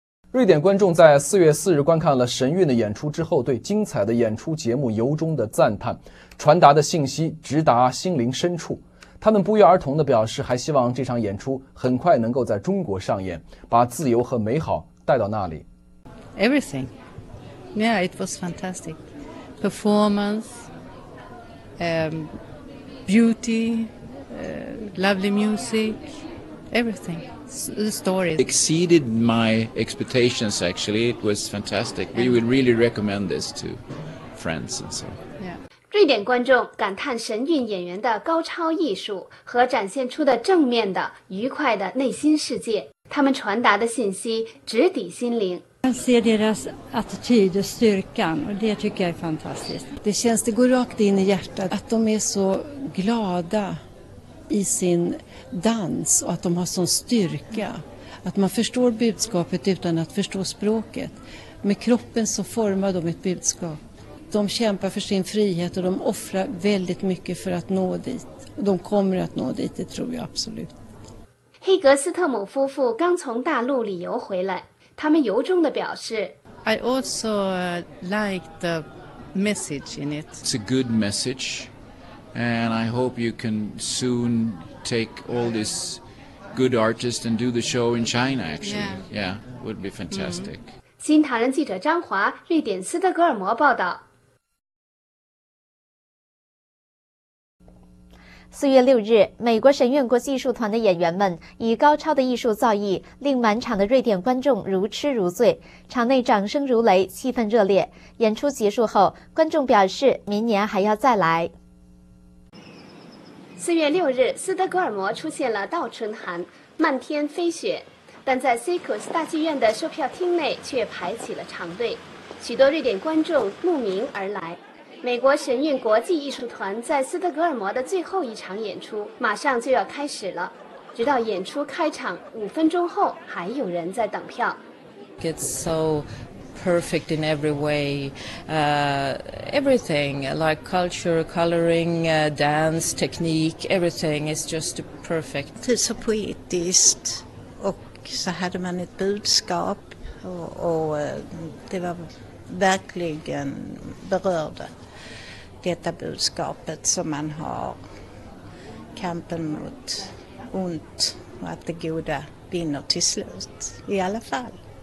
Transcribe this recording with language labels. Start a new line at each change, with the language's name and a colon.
Chinese: 瑞典观众在4月4日观看了神韵的演出之后，对精彩的演出节目由衷的赞叹，传达的信息直达心灵深处。他们不约而同地表示，还希望这场演出很快能够在中国上演，把自由和美好带到那里。
English: Everything. Yeah, it was fantastic. Performance, beauty, lovely music, everything. The story exceeded my expectations, actually. It was fantastic. We would really recommend this to friends and so on.
Chinese: 瑞典观众感叹神韵演员的高超艺术和展现出的正面的、愉快的内心世界，他们传达的信息直抵心灵。
Swedish: Jag ser deras attityd och styrkan och det tycker jag är fantastiskt. Det känns, det går rakt in i hjärtat att de är så glada i sin dans och att de har sån styrka. Att man förstår budskapet utan att förstå språket. Med kroppen så formar de ett budskap. De kämpar för sin frihet och de offrar väldigt mycket för att nå dit. Och de kommer att nå dit, det tror jag absolut.
Chinese: 黑格斯特姆夫妇刚从大陆旅游回来。他们由衷地表示
English: I also like the message in it. It's a good message, and I hope you can soon take all these good artists and do the show in China, actually. Yeah, would be fantastic.
Chinese: 新唐人记者张华，瑞典斯德哥尔摩报道。 4月6日，美国神韵国际艺术团的演员们以高超的艺术造诣令满场的瑞典观众如痴如醉，场内掌声如雷，气氛热烈。演出结束后，观众表示明年还要再来。 4月6日，斯德哥尔摩出现了倒春寒，漫天飞雪，但在 Cirkus 大剧院的售票厅内却排起了长队，许多瑞典观众慕名而来。美国神韵国际艺术团在斯德哥尔摩的最后一场演出马上就要开始了，直到演出开场五分钟后还有人在等票。
English: It's so perfect in every way, everything like culture, coloring, dance, technique, everything is just perfect.
Swedish: Det är så poetiskt och så hade man ett budskap och det var verkligen berörde. Detta budskapet som man har, kampen mot ont och att det goda vinner till slut, i alla fall.